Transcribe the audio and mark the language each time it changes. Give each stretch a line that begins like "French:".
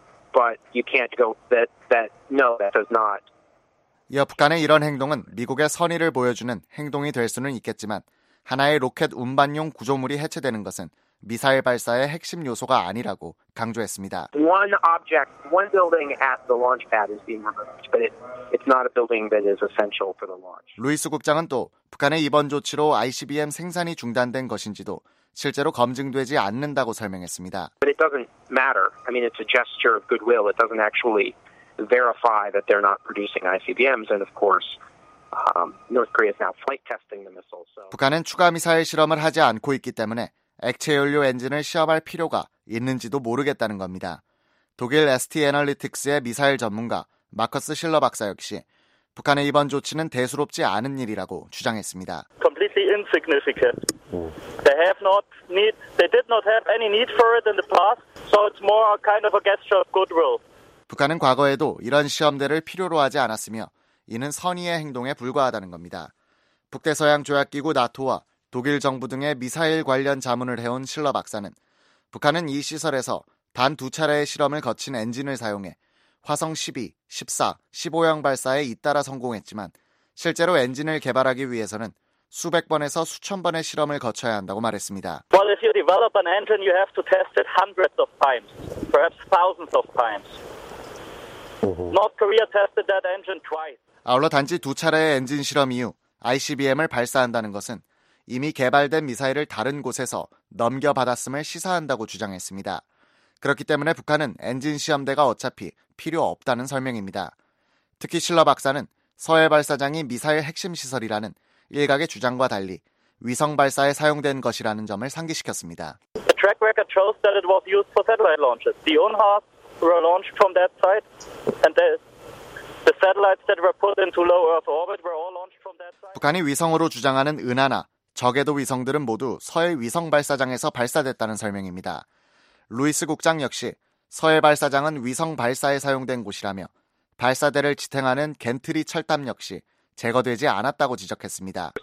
English: But you can't go that no that does not.
Korean: 이어 북한의 이런 행동은 미국의 선의를 보여주는 행동이 될 수는 있겠지만 하나의 로켓 운반용 구조물이 해체되는 것은 미사일 발사의 핵심 요소가 아니라고 강조했습니다.
English: One object, one building at the launch pad is being removed, but it's not a building that is essential for the launch.
Korean: 루이스 국장은 또 북한의 이번 조치로 ICBM 생산이 중단된 것인지도 실제로 검증되지 않는다고 설명했습니다.
English: But it doesn't matter. I mean, it's a gesture of goodwill. It doesn't actually verify that they're not producing ICBMs, and of course, North Korea is now flight testing the missiles. So
Korean: 북한은 추가 미사일 실험을 하지 않고 있기 때문에 액체 연료 엔진을 시험할 필요가 있는지도 모르겠다는 겁니다. 독일 ST 애널리틱스의 미사일 전문가 마커스 실러 박사 역시 북한의 이번 조치는 대수롭지 않은 일이라고 주장했습니다.
English: Completely insignificant. They did not have any need for it in the past. So it's more a kind of a gesture of goodwill.
Korean: 북한은 과거에도 이런 시험대를 필요로 하지 않았으며 이는 선의의 행동에 불과하다는 겁니다. 북대서양 조약기구 나토와 독일 정부 등의 미사일 관련 자문을 해온 실러 박사는 북한은 이 시설에서 단 두 차례의 실험을 거친 엔진을 사용해 화성 12, 14, 15형 발사에 잇따라 성공했지만 실제로 엔진을 개발하기 위해서는 수백 번에서 수천 번의 실험을 거쳐야 한다고 말했습니다.
English: Well, if you develop an engine, you have to test it hundreds of times, perhaps thousands of times. North Korea tested that engine twice.
Korean: 아울러 단지 두 차례의 엔진 실험 이후 ICBM을 발사한다는 것은 이미 개발된 미사일을 다른 곳에서 넘겨받았음을 시사한다고 주장했습니다. 그렇기 때문에 북한은 엔진 시험대가 어차피 필요 없다는 설명입니다. 특히 실러 박사는 서해 발사장이 미사일 핵심 시설이라는 일각의 주장과 달리 위성 발사에 사용된 것이라는 점을 상기시켰습니다.
English: The track record shows that it was used for satellite launches. The own hearts were launched from that site and the satellites that were put into low Earth orbit were all launched from that site.
Korean: 북한이 위성으로 주장하는 은하나 적에도 위성들은 모두 서해 위성 발사장에서 발사됐다는 설명입니다. 루이스 국장 역시 서해 발사장은 위성 발사에 사용된 곳이라며 발사대를 지탱하는 갠트리 철탑 역시 제거되지 않았다고 지적했습니다.